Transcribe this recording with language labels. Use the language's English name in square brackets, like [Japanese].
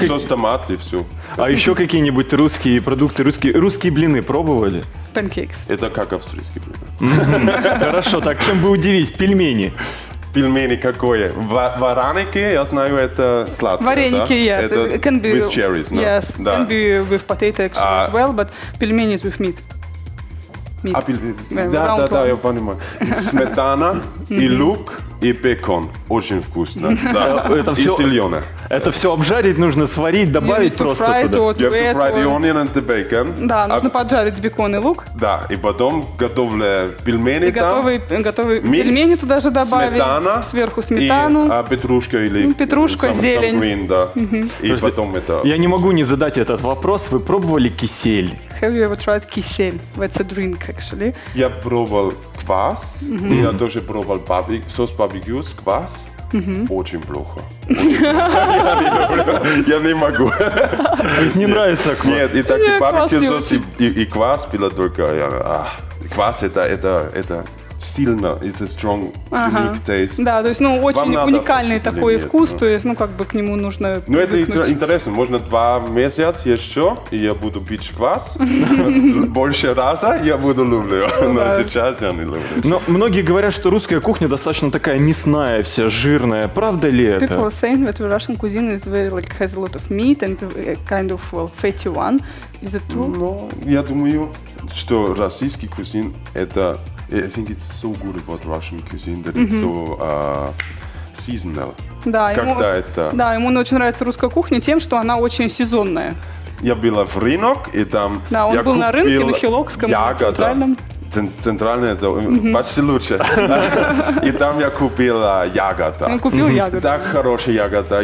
[Russian] сос томат и все. А еще какие-нибудь русские продукты, русские блины пробовали? Панкейкс. Это как австрийские блины. Хорошо, так чем бы удивить? Пельмени. Пельмени какое? Вареники, я знаю, это сладкое, вареники, да? Это [English] can be with cherries, no? Yes, [Russian] да. [English] Can be with potato as well, but пельмени is with meat. [Russian] Meat. Да, я понимаю. Сметана и лук и бекон. Очень вкусно. Да. Это все, и сельёна. Это все обжарить нужно, сварить, добавить просто туда. [English] You have to fry the onion and the bacon. [Russian] Да, нужно поджарить бекон и лук. Да, и потом готовые пельмени там. Готовые пельмени туда же добавить. Сметана. Сверху сметану. И петрушка или... Петрушка, зелень. [English] Some green, [Russian] да. И потом это... Я не могу не задать этот вопрос. Вы пробовали кисель? [English] Have you ever tried кисель? It's a drink, actually. [Russian] Я пробовал квас. И я тоже пробовал сос барбекю с квас. Очень плохо. Я не могу. То есть не нравится квас? Нет, и так и барбекю сос, и квас пила только. Квас это сильно, [English] it's a strong, unique taste. [Russian] Да, то есть, ну, очень уникальный такой вкус, то есть, ну, как бы к нему нужно... Ну, это интересно, можно 2 месяца еще, и я буду пить квас. Больше раза я буду люблю, но сейчас я не люблю. Но многие говорят, что русская кухня достаточно такая мясная вся, жирная. Правда ли это? [English] People are saying that Russian cuisine is very, like, has a lot of meat and kind of, well, fatty one. Is it true? [Russian] Ну, я думаю, что российский кузин это... [English] I think it's so good about Russian cuisine that it's so seasonal. [Russian] Да, ему очень нравится русская кухня тем, что она очень сезонная. Я была в рынок и там я купил ягоды. Да, он был на рынке на Хилокском, в центральном. центральное, это почти лучше. И там я купил ягоды. Так хорошие ягоды.